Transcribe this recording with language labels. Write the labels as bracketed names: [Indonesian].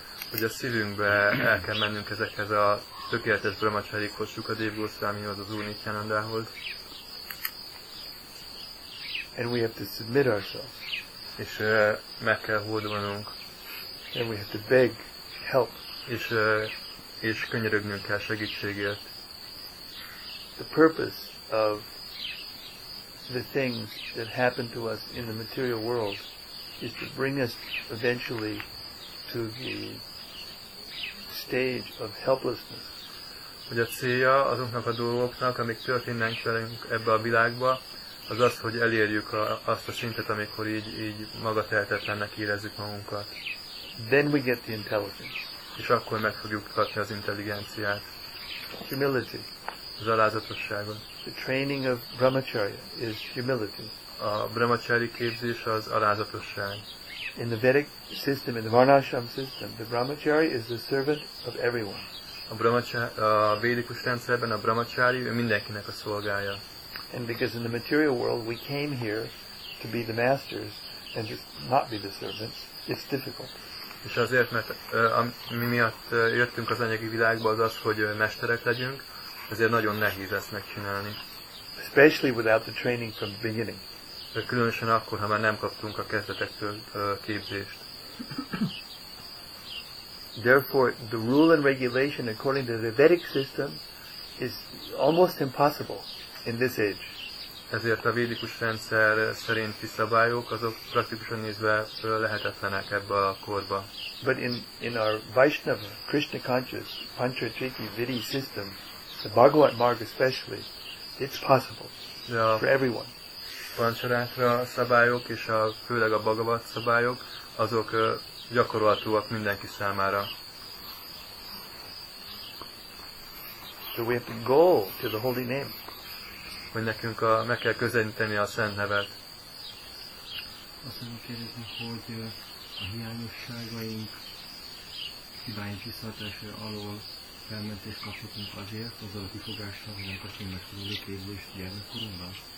[Hungarian] Hogy a szívünkbe el kell mennünk ezekhez a tökéletes brahmacharikhoz, Sukadev Goswamihoz, az Úr Nityanandához. [English] And we have to submit ourselves. [Hungarian] És meg kell hódolnunk. [English] And we have to beg help. [Hungarian] És könyörögnünk kell segítségért. [English] The purpose of the things that happen to us in the material world is to bring us eventually to the stage of helplessness. [Hungarian] Hogy a célja azoknak a dolgoknak, amik történnek velünk ebbe a világba, az az, hogy elérjük azt a szintet, amikor így magatehetetlennek érezzük magunkat. [English] Then we get the intelligence. [Hungarian] És akkor meg fogjuk kapni az intelligenciát. [English] Humility. [Hungarian] Az alázatosságot. [English] The training of brahmacharya is humility. [Hungarian] A brahmacsári képzés az alázatosság. [English] In the Vedic system, in the Varnashram system, the brahmachari is the servant of everyone. [Hungarian] A védikus rendszerben a brahmachari mindenkinek a szolgája. [English] And because in the material world we came here to be the masters and just not be the servants, it's difficult. [Hungarian] És azért, mert mi miatt jöttünk az anyagi világba, az az, hogy mesterek legyünk, ezért nagyon nehéz ezt megcsinálni. [English] Especially without the training from the beginning. [Hungarian] Különösen akkor, ha már nem kaptunk a kezdetektől képzést. [English] Therefore, the rule and regulation according to the Vedic system is almost impossible in this age. [Hungarian] Ezért a védikus rendszer szerinti szabályok azok praktikusan nézve lehetetlenek ebbe a korba. [English] But in our Vaishnava, Krishna conscious, Panchatriki, Vidhi system, the Bhagavat Marga especially, it's possible for everyone. [Hungarian] Pancharatra szabályok és a főleg a Bhagavat szabályok azok gyakorolhatóak mindenki számára. [English] So we have to go to the holy name. [Hungarian] Hogy nekünk meg kell közelíteni a szent nevet. Azt mondom kérdezni, hogy a hiányosságaink hibány kiszállítása alól felmentést kaphatunk azért, azzal a kifogással, hogy nem kapjunk meg tudó képzést gyermekkorunkban.